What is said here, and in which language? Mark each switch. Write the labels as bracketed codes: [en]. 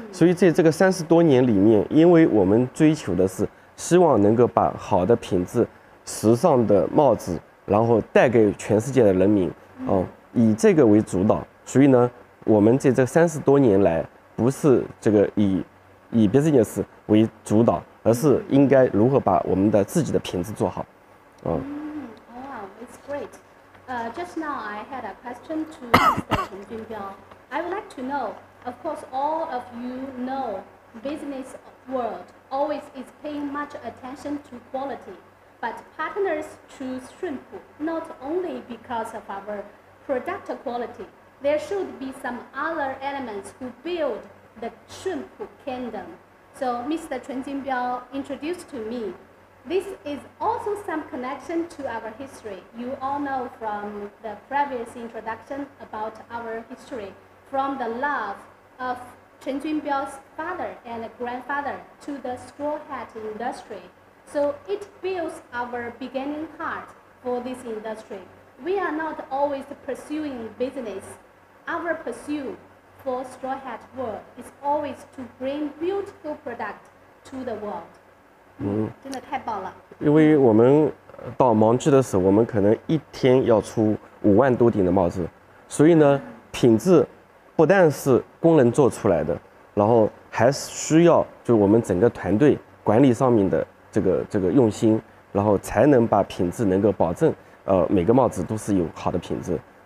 [zh] 所以在这个30多年里面，因为我们追求的是希望能够把好的品质时尚的帽子然后带给全世界的人民，以这个为主导，所以呢我们在这30多年来不是这个以 business 为主导，而是应该如何把我们的自己的品质做好。 [en] It's great. Just now I had a question to Chen Junbiao. I would like to knowOf course, all of you know business world always is paying much attention to quality. But partners choose Shunpu not only because of our product quality. There should be some other elements who build the Shunpu kingdom. So Mr. Chen Jingbiao introduced to me. This is also some connection to our history. You all know from the previous introduction about our history, from the love of Chen Jingbiao's father and grandfather to the straw hat industry. So it builds our beginning heart for this industry. We are not always pursuing business. Our pursuit for straw hat world is always to bring beautiful product to the world. [zh] 真的太棒了。因为我们到忙季的时候，我们可能一天要出50,000多顶的帽子，所以呢，品质不但是工人做出来的，然后还需要就我们整个团队管理上面的这个用心，然后才能把品质能够保证，每个帽子都是有好的品质。